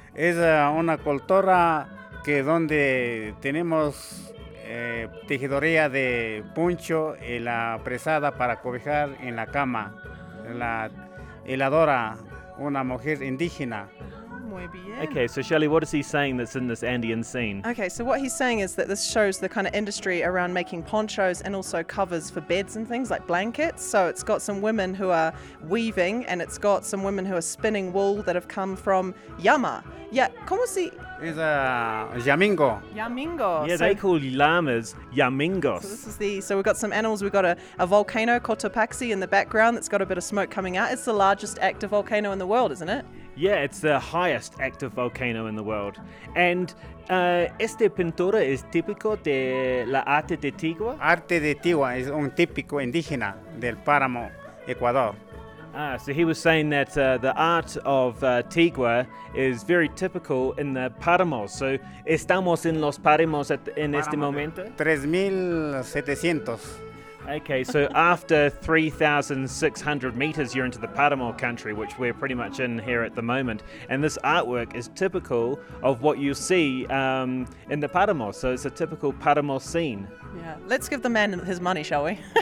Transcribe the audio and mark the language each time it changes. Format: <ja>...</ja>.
<es>Es una cultura que donde tenemos tejedoría de puncho y la prensada para cobijar en la cama. La heladora, una mujer indígena.</es> <en>Okay, so Shelley, what is he saying that's in this Andean scene? Okay, so what he's saying is that this shows the kind of industry around making ponchos and also covers for beds and things like blankets. So it's got some women who are weaving and it's got some women who are spinning wool that have come from Yama.</en> <es>Yeah, ¿cómo se...? Es Yamingo. Yamingo.</es> <en>Yeah, so they call llamas Yamingos. So we've got some animals. We've got a volcano, Cotopaxi, in the background that's got a bit of smoke coming out. It's the largest active volcano in the world, isn't it? Yeah, it's the highest active volcano in the world.</en> <es>And esta pintura es típico de la arte de Tigua? Arte de Tigua es un típico indígena del páramo Ecuador.</es> <en>Ah, so he was saying that the art of Tigua is very typical in the páramos.</en> <es>So estamos en los páramos en este momento? 3,700.</es> <en>Okay, so after 3,600 meters, you're into the páramo country, which we're pretty much in here at the moment. And this artwork is typical of what you see in the páramo. So it's a typical páramo scene. Yeah, let's give the man his money, shall we?</en>